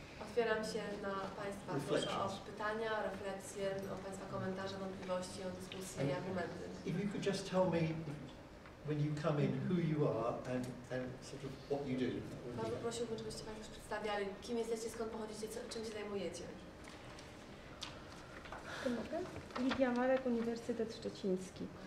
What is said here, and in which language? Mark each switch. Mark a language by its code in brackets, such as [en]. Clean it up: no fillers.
[pl] Otwieram się na Państwa, proszę o pytania, refleksje, o Państwa komentarze, wątpliwości, o dyskusje i argumenty. [en] If you could just tell me when you come in who you are and sort of what you do. [pl] Bardzo prosiłbym, żebyście Państwo już przedstawiali, kim jesteście, skąd pochodzicie, czym się zajmujecie. Lidia Marek, Uniwersytet Szczeciński.